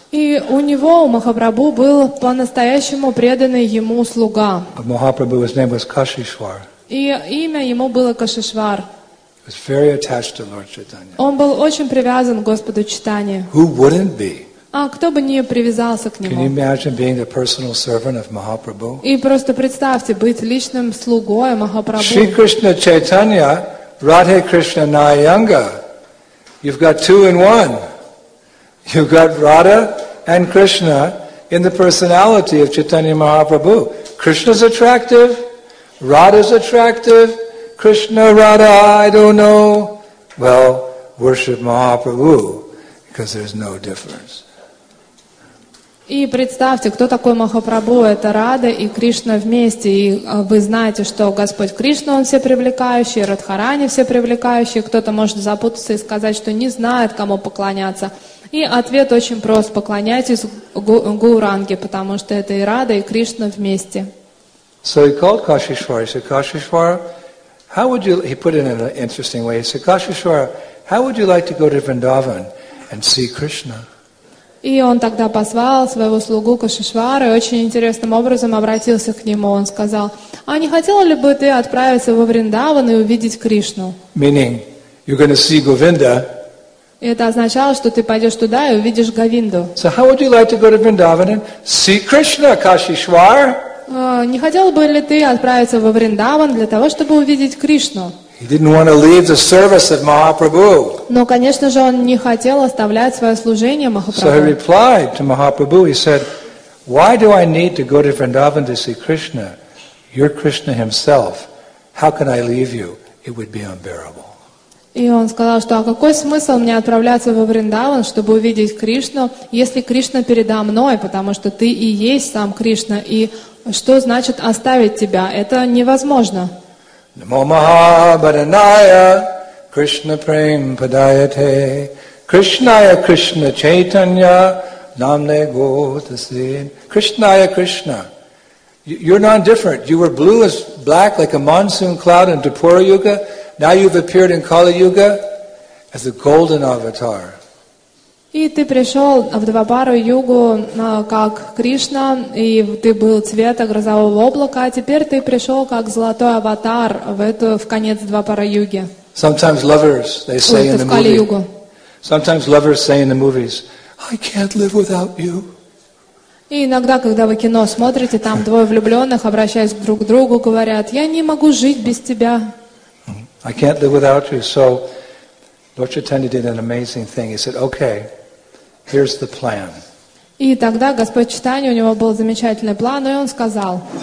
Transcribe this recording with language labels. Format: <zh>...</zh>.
<ru>И у него, у Махапрабху, был по-настоящему преданный ему слуга.</ru> <en>But Mahaprabhu's name was Kashishwar.</en> <ru>И имя ему было Кашишвар.</ru> <en>Was very attached to Lord Chaitanya.</en> <ru>Он был очень привязан к Господу Чайтанье.</ru> <en>Who wouldn't be?</en> <ru>А кто бы не привязался к нему?</ru> <en>Can you imagine being the personal servant of Mahaprabhu?</en> <ru>И просто представьте быть личным слугой Махапрабху.</ru> <sa>Shri Krishna Chaitanya, Radhe Krishna Nayanga.</sa> <en>You've got two in one. You've got Radha and Krishna in the personality of Chaitanya Mahaprabhu. Krishna's attractive. Radha's attractive. Krishna, Radha, I don't know. Well, worship Mahaprabhu, because there's no difference.</en> <ru>И представьте, кто такой Махапрабху? Это Рада и Кришна вместе. И вы знаете, что Господь Кришна, Он всепривлекающий, Радхарани всепривлекающий. Кто-то может запутаться и сказать, что не знает, кому поклоняться. И ответ очень прост. Поклоняйтесь Гауранге, потому что это и Рада, и Кришна вместе.</ru> <en>So he called Kashishwar. He said, Kashishwar, how would you, he put it in an interesting way. He said, Kashishwar, how would you like to go to Vrindavan and see Krishna?</en> <ru>И он тогда позвал своего слугу Кашишвара и очень интересным образом обратился к нему. Он сказал, а не хотел ли бы ты отправиться во Вриндаван и увидеть Кришну?</ru> <en>Meaning, you're going to see Govinda.</en> <ru>И это означало, что ты пойдешь туда и увидишь Говинду.</ru> <en>So how would you like to go to Vrindavan and see Krishna, Kashishwar?</en> <ru>Не хотел бы ли ты отправиться во Вриндаван для того, чтобы увидеть Кришну?</ru> <en>He didn't want to leave the service of Mahaprabhu.</en> <ru>Но, конечно же, он не хотел оставлять свое служение Махапрабху.</ru> <en>So he replied to Mahaprabhu. He said, "Why do I need to go to Vrindavan to see Krishna? You're Krishna himself. How can I leave you? It would be unbearable."</en> <ru>И он сказал, что а какой смысл мне отправляться во Вриндаван, чтобы увидеть Кришну, если Кришна передо мной, потому что ты и есть сам Кришна и что значит оставить тебя? Это невозможно.</ru> <sa>Namo Mahabharanaya Krishna Prem Padayate Krishnaya Krishna Chaitanya Namne Gotase Krishnaya Krishna.</sa> <en>You're non-different. You were blue as black, like a monsoon cloud in Dwapara Yuga. Now you've appeared in Kali Yuga as a golden avatar.</en> <ru>И ты пришел в Двапару Югу как Кришна, и ты был цвета грозового облака, а теперь ты пришел как золотой аватар в конец Двапара Юги.</ru> <en>Sometimes lovers, they say in the movies. Sometimes lovers say in the movies, I can't live without you.</en> <ru>И иногда, когда вы кино смотрите, там двое влюбленных, обращаясь друг к другу, говорят, я не могу жить без тебя.</ru> <en>I can't live without you. So, Lord Chaitanya did an amazing thing. He said, okay, here's the plan.</en> <ru>И тогда Господь Читания, у него был замечательный план, и он сказал.</ru>